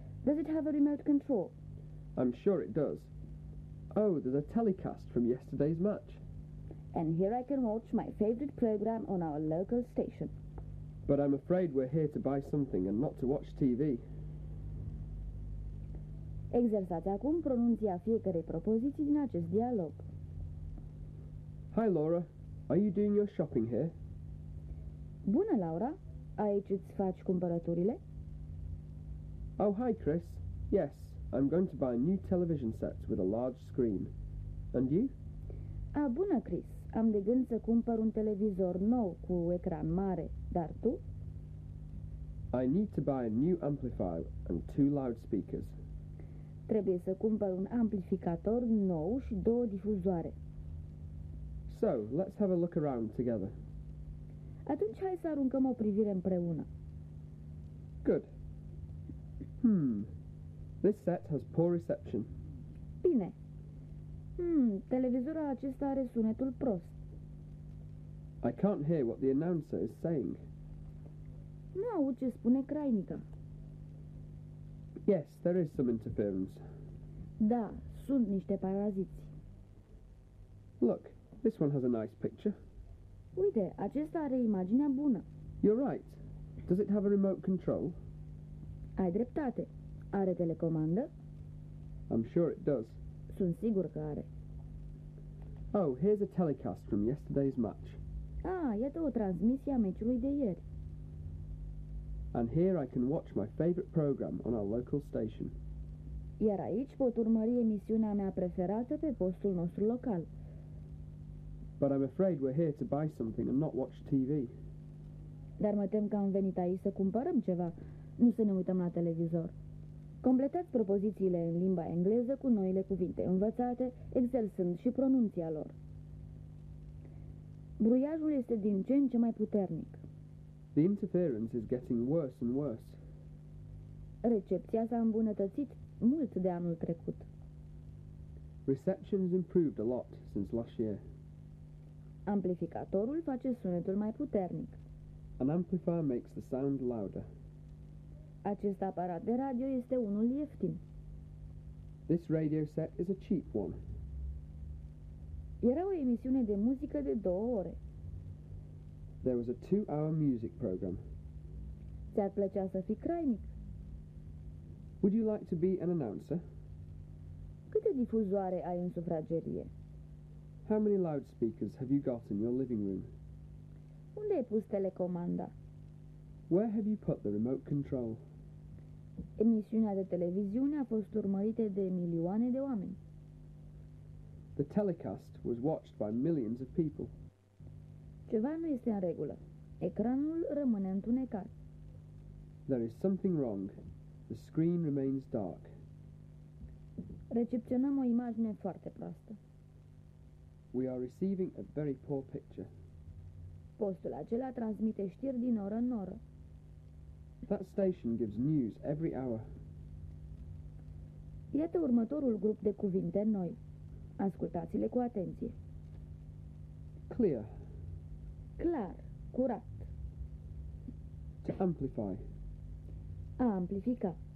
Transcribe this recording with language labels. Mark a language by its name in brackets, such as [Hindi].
[English] Does it have a remote control? I'm sure it does. Oh, there's a telecast from yesterday's match. And here I can watch my favourite programme on our local station. But I'm afraid we're here to buy something and not to watch TV. [Romanian] Exersați acum pronunția fiecarei propoziții din acest dialog. [English] Hi, Laura. Are you doing your shopping here? [Romanian] Bună, Laura. Aici îți faci cumpărăturile? [English] Oh, hi, Chris. Yes, I'm going to buy a new television set with a large screen. And you? [Romanian] Ah, bună, Chris. Am de gând să cumpăr un televizor nou cu ecran mare. Dar tu? [English] I need to buy a new amplifier and two loudspeakers. [Romanian] Trebuie să cumpăr un amplificator nou și două difuzoare. [English] So, let's have a look around together. [Romanian] Atunci hai să aruncăm o privire împreună. [English] Good. This set has poor reception. [Romanian] Bine. Televizorul acesta are sunetul prost. [English] I can't hear what the announcer is saying. [Romanian] Nu aud ce spune crainica. [English] Yes, there is some interference. [Romanian] Da, sunt niște paraziți. [English] Look, this one has a nice picture. [Romanian] Uite, acesta are imaginea bună. [English] You're right. Does it have a remote control? [Romanian] Ai dreptate. Are telecomandă? [English] I'm sure it does. [Romanian] Sunt sigur că are. [English] Oh, here's a telecast from yesterday's match. [Romanian] Ah, iată o transmisie a meciului de ieri. [English] And here I can watch my favorite program on our local station. [Romanian] Iar aici pot urmări emisiunea mea preferată pe postul nostru local. [English] But I'm afraid we're here to buy something and not watch TV. [Romanian] Dar mă tem că am venit aici să cumpărăm ceva, nu să ne uităm la televizor. Completați propozițiile în limba engleză cu noile cuvinte învățate, exersând și pronunția lor. Bruiajul este din ce în ce mai puternic. [English] The interference is getting worse and worse. [Romanian] Recepția s-a îmbunătățit mult de anul trecut. [English] Reception has improved a lot since last year. [Romanian] Amplificatorul face sunetul mai puternic. [English] An amplifier makes the sound louder. [Romanian] Acest aparat de radio este unul ieftin. [English] This radio set is a cheap one. [Romanian] Era o emisiune de muzică de două ore. [English] There was a two-hour music program. [Romanian] Ți-ar plăcea să fii crainic? [English] Would you like to be an announcer? [Romanian] Câte difuzoare ai în sufragerie? [English] How many loudspeakers have you got in your living room? [Romanian] Unde ai pus telecomanda? [English] Where have you put the remote control? [Romanian] Emisiunea de televiziune a fost urmărită de milioane de oameni. [English] The telecast was watched by millions of people. [Romanian] Ceva nu este în regulă. Ecranul rămâne întunecat. [English] There is something wrong. The screen remains dark. [Romanian] Recepționăm o imagine foarte proastă. [English] We are receiving a very poor picture. [Romanian] Postul acela transmite știri din oră în oră. [English] That station gives news every hour. [Romanian] Iată următorul grup de cuvinte noi. Ascultați-le cu atenție. [English] Clear. [Romanian] Clar, curat. [English] To amplify. [Romanian] A amplifica.